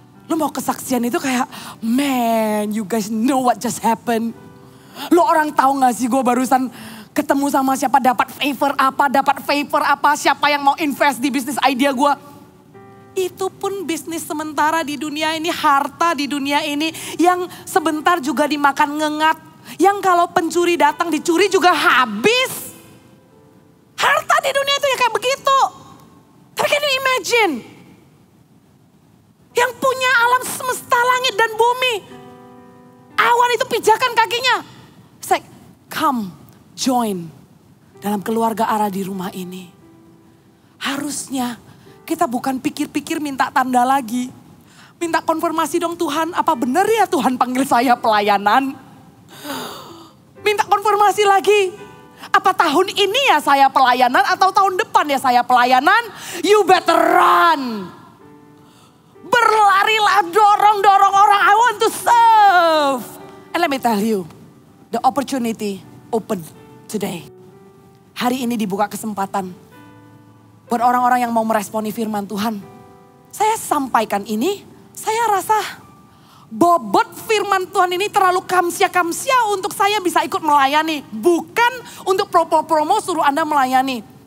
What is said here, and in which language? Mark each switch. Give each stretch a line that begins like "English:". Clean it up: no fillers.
Indonesian: Lu mau kesaksian itu kayak,
English: man you guys know what just happened.
Indonesian: Lu orang tahu gak sih gua barusan ketemu sama siapa, dapat favor apa, siapa yang mau invest di bisnis idea gua. Itu pun bisnis sementara di dunia ini, harta di dunia ini yang sebentar juga dimakan ngengat. Yang kalau pencuri datang dicuri juga habis. Harta di dunia itu ya kayak begitu. Tapi
English: can you imagine?
Indonesian: Yang punya alam semesta langit dan bumi. Awan itu pijakan kakinya.
English: Say, come join
Indonesian: dalam keluarga Ara di rumah ini. Harusnya kita bukan pikir-pikir minta tanda lagi. Minta konfirmasi dong Tuhan, apa benar ya Tuhan panggil saya pelayanan? Minta konfirmasi lagi, apa tahun ini ya saya pelayanan atau tahun depan ya saya pelayanan?
English: You better run.
Indonesian: Berlarilah, dorong-dorong orang,
English: I want to serve. And let me tell you, the opportunity open today.
Indonesian: Hari ini dibuka kesempatan. Buat orang-orang yang mau meresponi firman Tuhan. Saya sampaikan ini, saya rasa bobot firman Tuhan ini terlalu kamsia-kamsia untuk saya bisa ikut melayani. Bukan untuk promo-promo suruh Anda melayani.